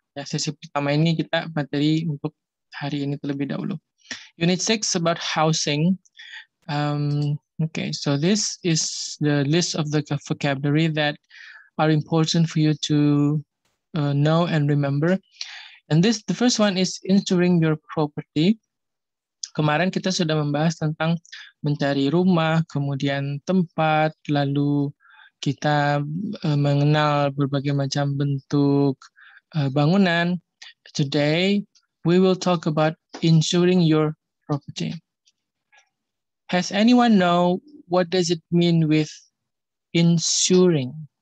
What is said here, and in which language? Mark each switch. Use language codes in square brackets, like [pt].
[id] Ya, sesi pertama ini kita materi untuk hari ini terlebih dahulu. [en] Unit 6 about housing. Okay, so this is the list of the vocabulary that are important for you to know and remember. And this, the first one is insuring your property. [id] Kemarin kita sudah membahas tentang mencari rumah, kemudian tempat, lalu kita mengenal berbagai macam bentuk bangunan. [en] Today, we will talk about insuring your property. Has anyone know what does it mean with insuring?